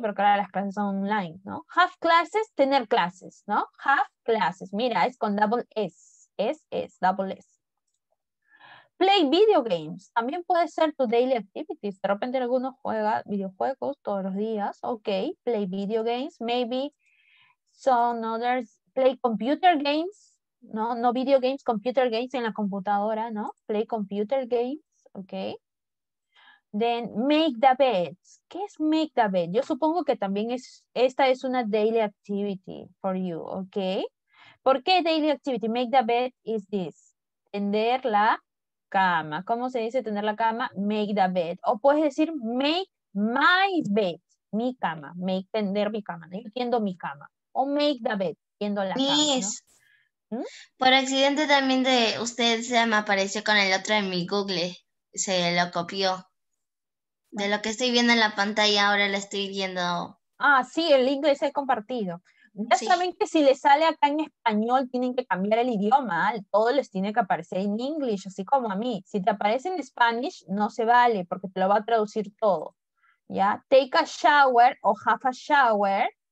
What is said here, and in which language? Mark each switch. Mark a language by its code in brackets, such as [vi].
[es] Pero claro, las clases son online, ¿no? Have classes, tener clases, ¿no? Have classes. Mira, es con double S. S, double S. [en] Play video games. [es] También puede ser tu daily activities. De repente alguno juega videojuegos todos los días. [en] Okay, play video games. Maybe some others play computer games. [es] No, no video games, computer games en la computadora, ¿no? Play computer games, ¿ok? [en] Then, make the bed. ¿Qué es make the bed? [es] Yo supongo que también esta es una daily activity [en] for you, [es] ¿ok? ¿Por qué daily activity? [en] Make the bed is this. [es] Tender la cama. ¿Cómo se dice tender la cama? Make the bed. O puedes decir make my bed, mi cama. Make, tender mi cama, ¿no? Tiendo mi cama. O make the bed, tiendo la cama, ¿no? Por accidente también de usted se me apareció con el otro en mi Google, se lo copió. De lo que estoy viendo en la pantalla ahora lo estoy viendo Ah, sí, el inglés es compartido. Ya sí. Saben que si les sale acá en español, tienen que cambiar el idioma. Todo les tiene que aparecer en inglés, así como a mí. Si te aparece en Spanish, no se vale, porque te lo va a traducir todo. ¿Ya? [en] Take a shower o have a shower.